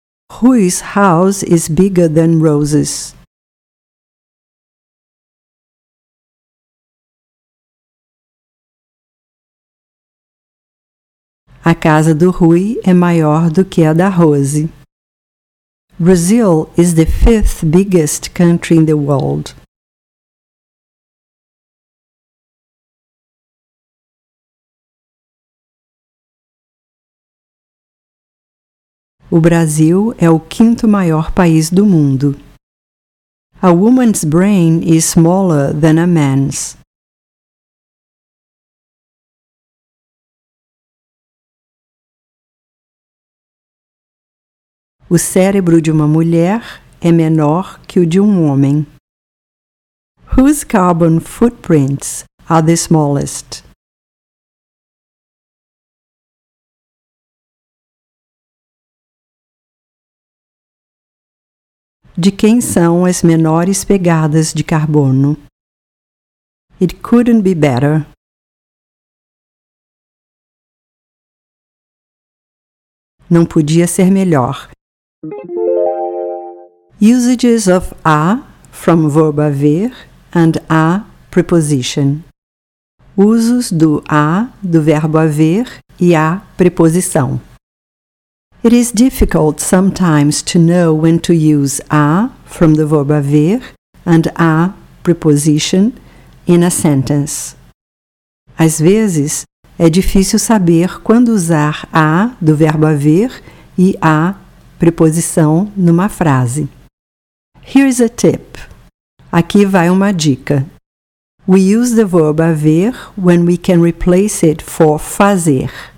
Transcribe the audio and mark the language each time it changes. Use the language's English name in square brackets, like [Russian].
[English] Whose house is bigger than roses? [Portuguese] A casa do Rui é maior do que a da Rose. [English] Brazil is the fifth biggest country in the world. [Portuguese] O Brasil é o quinto maior país do mundo. [English] A woman's brain is smaller than a man's. [Portuguese] O cérebro de uma mulher é menor que o de um homem. [English] Whose carbon footprints are the smallest? [Portuguese] De quem são as menores pegadas de carbono? [English] It couldn't be better. [Portuguese] Não podia ser melhor. [English] Usages of a from verb haver and a preposition. [Portuguese] Usos do a do verbo haver e a preposição. [English] It is difficult sometimes to know when to use a from the verb haver and a preposition in a sentence. [Portuguese] Às vezes, é difícil saber quando usar a do verbo haver e a preposição numa frase. [English] Here is a tip. [Portuguese] Aqui vai uma dica. [English] We use the verb haver when we can replace it for fazer.